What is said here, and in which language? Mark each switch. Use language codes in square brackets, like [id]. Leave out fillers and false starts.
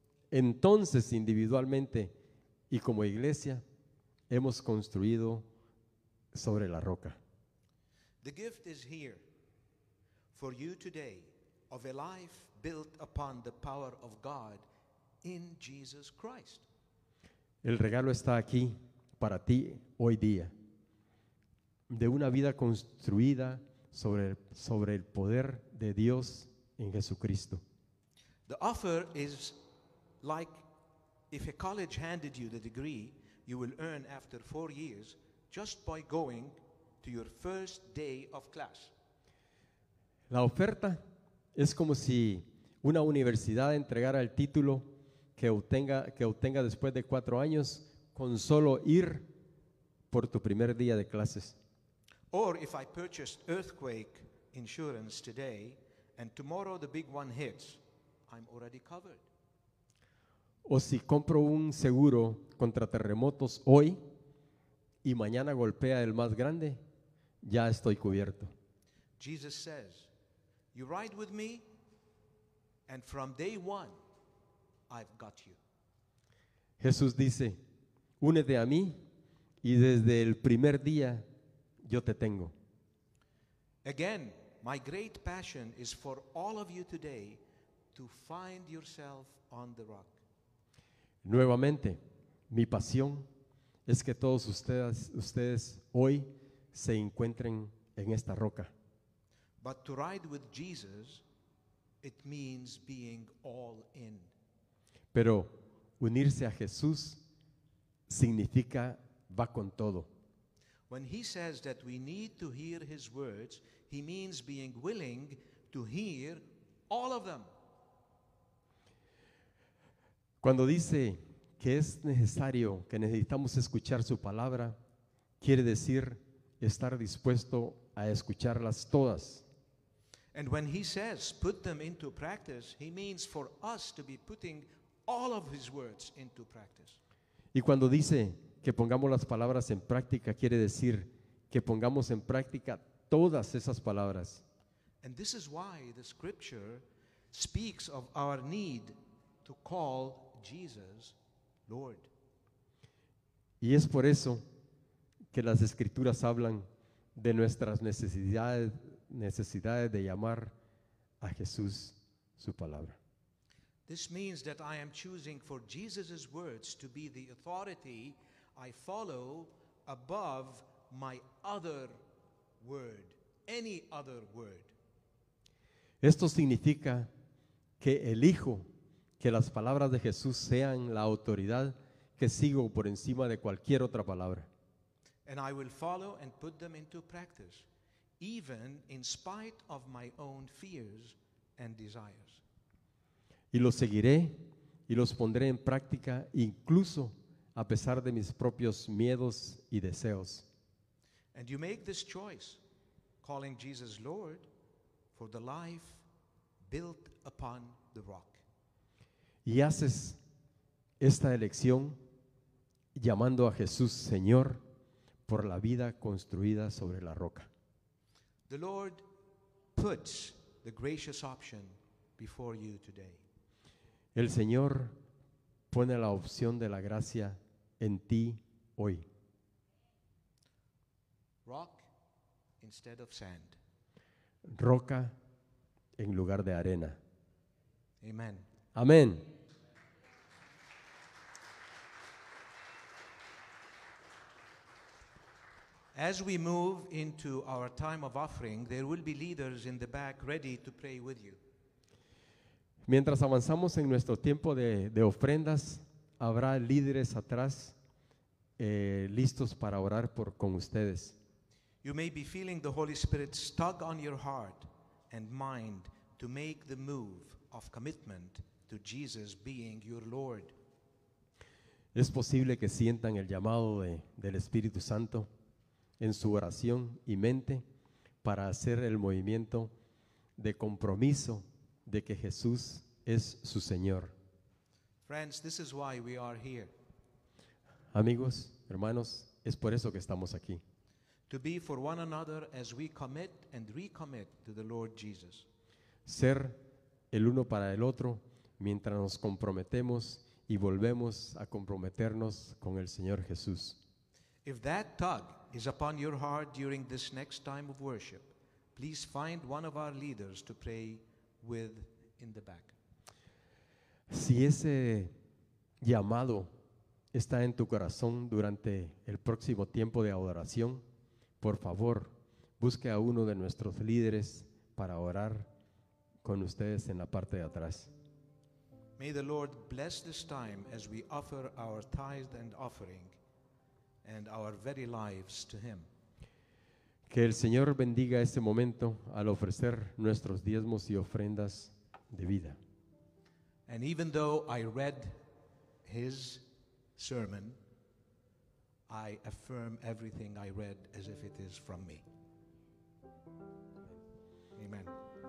[es] Entonces, individualmente y como iglesia, hemos construido sobre la roca. [en] The gift is here for you today of a life built upon the power of God in Jesus Christ. [es] El regalo está aquí para ti hoy día, de una vida construida sobre el poder de Dios en Jesucristo. [en] The offer is like if a college handed you the degree you will earn after 4 years just by going to your first day of class. [es] La oferta es como si una universidad entregara el título que obtenga después de 4 años con solo ir por tu primer día de clases. [en] Or if I purchased earthquake insurance today and tomorrow the big one hits, I'm already covered. [es] O si compro un seguro contra terremotos hoy y mañana golpea el más grande, ya estoy cubierto. [en] Jesus says, you ride with me and from day one, I've got you. [es] Jesús dice, únete a mí y desde el primer día yo te tengo. [en] Again, my great passion is for all of you today to find yourself on the rock. [es] Nuevamente, mi pasión es que todos ustedes hoy se encuentren en esta roca. [en] But to ride with Jesus, it means being all in. [es] Pero unirse a Jesús significa va con todo. [en] When he says that we need to hear his words, he means being willing to hear all of them. [es] Cuando dice que es necesario, que necesitamos escuchar su palabra, quiere decir estar dispuesto a escucharlas todas. [en] And when he says put them into practice, he means for us to be putting all of his words into practice. [es] Y cuando dice que pongamos las palabras en práctica, quiere decir que pongamos en práctica todas esas palabras. [en] And this is why the scripture speaks of our need to call Jesus Lord. [es] Y es por eso que las escrituras hablan de nuestras necesidades de llamar a Jesús su palabra. [en] This means that I am choosing for Jesus' words to be the authority I follow above my other word, any other word. [es] Esto significa que elijo que las palabras de Jesús sean la autoridad que sigo por encima de cualquier otra palabra. [en] And I will follow and put them into practice, even in spite of my own fears and desires. [es] Y los seguiré y los pondré en práctica incluso a pesar de mis propios miedos y deseos. [en] And you make this choice, calling Jesus Lord, for the life built upon the rock. [es] Y haces esta elección llamando a Jesús Señor por la vida construida sobre la roca. [en] The Lord puts the gracious option before you today. [es] El Señor pone la opción de la gracia en ti hoy. [en] Rock instead of sand. [es] Roca en lugar de arena. [en] Amen. [es] Amén. [en] As we move into our time of offering, there will be leaders in the back ready to pray with you. [es] Mientras avanzamos en nuestro tiempo de ofrendas, habrá líderes atrás listos para orar con ustedes. [en] You may be feeling the Holy Spirit tug on your heart and mind to make the move of commitment to Jesus being your Lord. [es] Es posible que sientan el llamado del Espíritu Santo en su oración y mente para hacer el movimiento de compromiso de que Jesús es su Señor. [en] Friends, this is why we are here. [es] Amigos, hermanos, es por eso que estamos aquí. [en] To be for one another as we commit and recommit to the Lord Jesus. [es] Ser el uno para el otro mientras nos comprometemos y volvemos a comprometernos con el Señor Jesús. [en] If that tug is upon your heart during this next time of worship, please find one of our leaders to pray with in the back. [es] Si ese llamado está en tu corazón durante el próximo tiempo de adoración, por favor, busque a uno de nuestros líderes para orar con ustedes en la parte de atrás. [en] May the Lord bless this time as we offer our tithe and offering and our very lives to Him. [es] Que el Señor bendiga este momento al ofrecer nuestros diezmos y ofrendas de vida. [en] And even though I read his sermon, I affirm everything I read as if it is from me. Amen.